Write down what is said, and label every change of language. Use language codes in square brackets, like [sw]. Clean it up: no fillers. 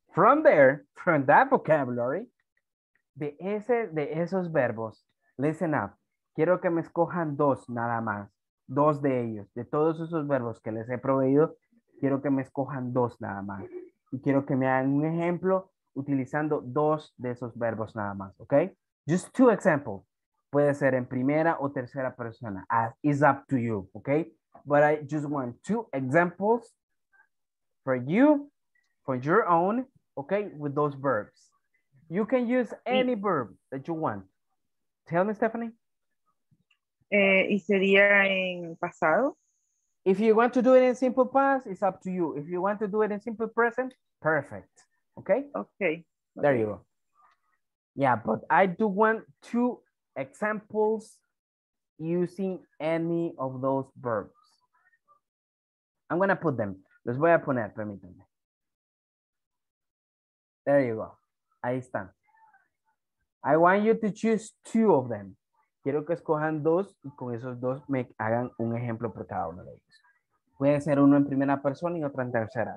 [en] From there, from that vocabulary, [es] de esos verbos, [en] listen up. [es] Quiero que me escojan dos nada más. Dos de ellos. De todos esos verbos que les he proveído, quiero que me escojan dos nada más. Y quiero que me hagan un ejemplo utilizando dos de esos verbos nada más, ¿ok? [en] Just two examples. [es] Puede ser en primera o tercera persona. [en] It's up to you, ¿ok? But I just want two examples for you, for your own, ¿ok? With those verbs. You can use any verb that you want. Tell me, Stephanie. [es] ¿Y sería en pasado? [en] If you want to do it in simple past, it's up to you. If you want to do it in simple present, perfect. Okay? Okay. There you go. Yeah, but I do want two examples using any of those verbs. I'm going to put them. [es] Los voy a poner, permítanme. [en] There you go. [es] Ahí están. [en] I want you to choose two of them. [es] Quiero que escojan dos y con esos dos me hagan un ejemplo por cada uno de ellos. Puede ser uno en primera persona y otro en tercera.